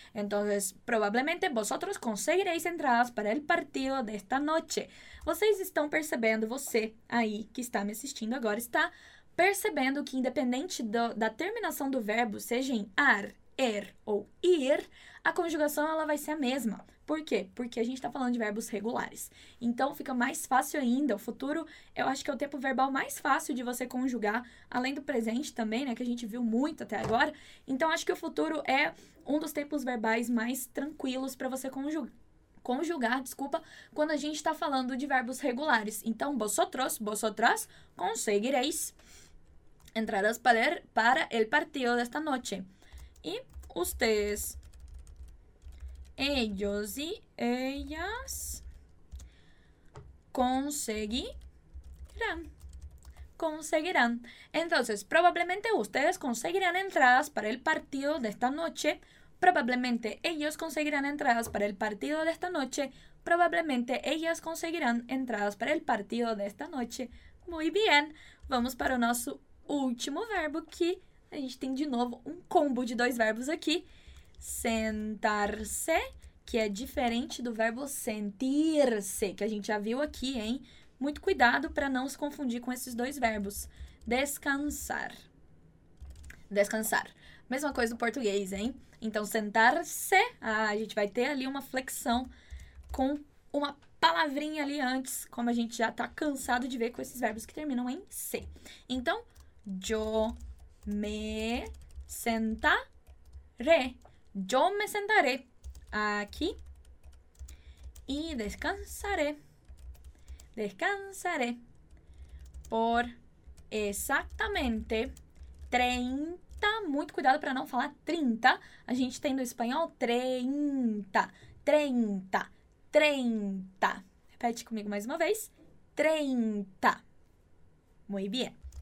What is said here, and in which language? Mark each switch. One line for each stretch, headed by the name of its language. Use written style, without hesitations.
Spanish: Entonces, probablemente vosotros conseguiréis entradas para el partido de esta noche.
Portuguese: Vocês estão percebendo, você aí que está me assistindo agora está percebendo que independente da terminação do verbo, seja em ar, er ou ir, a conjugação ela vai ser a mesma. Por quê? Porque a gente está falando de verbos regulares. Então, fica mais fácil ainda. O futuro, eu acho que é o tempo verbal mais fácil de você conjugar, além do presente também, né, que a gente viu muito até agora. Então, acho que o futuro é um dos tempos verbais mais tranquilos para você conjugar, quando a gente está falando de verbos regulares.
Spanish: Então, vosotros, conseguireis entradas para el partido
Portuguese: desta noite.
Spanish: E ustedes, ellos e ellas, conseguirán. Entonces, probablemente ustedes conseguirán entradas para el partido
Portuguese: desta noite.
Spanish: Probablemente ellos conseguirán entradas para el partido de esta noche. Probablemente ellas conseguirán entradas para el partido de esta noche. Muy bien.
Portuguese: Vamos para o nosso último verbo que a gente tem de novo um combo de dois verbos aqui. Sentar-se, que é diferente do verbo sentir-se, que a gente já viu aqui, hein? Muito cuidado para não se confundir com esses dois verbos. Descansar. Mesma coisa do português, hein? Então, sentar-se, a gente vai ter ali uma flexão com uma palavrinha ali antes, como a gente já está cansado de ver com esses verbos que terminam em se.
Spanish: Então, yo me sentaré. Yo me sentaré aquí y descansaré.
Portuguese: Descansaré por exatamente 30, muito cuidado para não falar 30. A gente tem no espanhol 30, 30, 30. Repete comigo mais uma vez. 30.
Spanish: Muy bien.